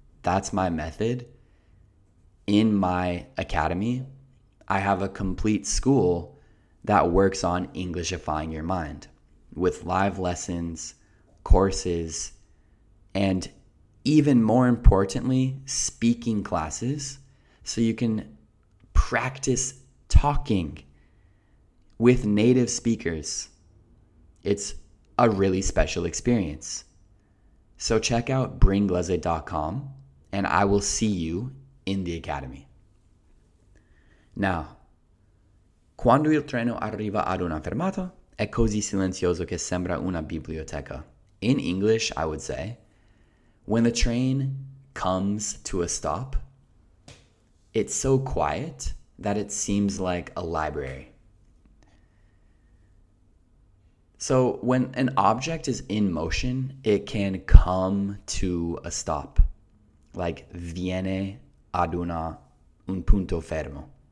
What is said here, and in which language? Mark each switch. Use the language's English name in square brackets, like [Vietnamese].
[English] That's my method. In my academy, I have a complete school that works on Englishifying your mind with live lessons, courses, and even more importantly, speaking classes so you can practice talking with native speakers. It's a really special experience. So check out bringlese.com and I will see you in the academy. [Italian] Now, quando il treno arriva ad una fermata, è così silenzioso che sembra una biblioteca. [English] In English, I would say, when the train comes to a stop, it's so quiet that it seems like a library. So when an object is in motion, it can come to a stop, like [Italian] viene ad una un punto fermo.